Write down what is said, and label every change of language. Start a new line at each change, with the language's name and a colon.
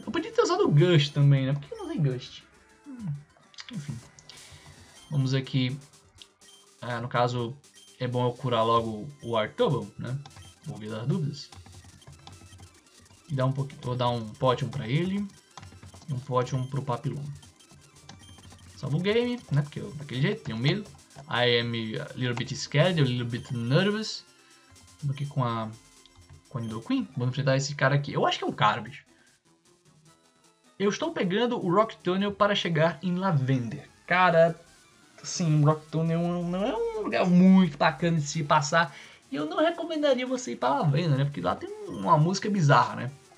Portuguese: Eu podia ter usado o Gust também, né? Por que eu não usei Gust? Enfim. Vamos aqui. Ah, no caso, é bom eu curar logo o Wartobo, né? Vou ver as dúvidas. E dar um pouquinho. Vou dar um Potion pra ele. E um Potion pro Papillon. Salvo o game, né? Porque eu, daquele jeito, tenho medo.
English: I am a little bit scared, a little bit nervous.
Portuguese: Vamos aqui com a... Com o Nidoqueen, vamos enfrentar esse cara aqui. Eu acho que é um cara, bicho. Eu estou pegando o Rock Tunnel para chegar em Lavender. Cara, assim, Rock Tunnel não é um lugar muito bacana de se passar. E eu não recomendaria você ir para Lavender, né? Porque lá tem uma música bizarra, né?